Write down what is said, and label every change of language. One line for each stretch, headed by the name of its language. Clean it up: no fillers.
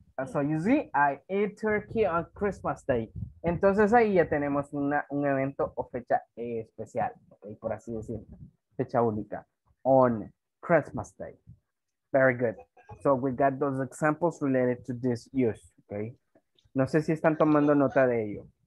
English: So you see, I ate turkey on Christmas Day.
Spanish: Entonces ahí ya tenemos un evento o fecha especial, okay, por así decirlo. Fecha única.
English: On Christmas Day. Very good. So we got those examples related to this use, okay?
Spanish: No sé si están tomando nota de ello.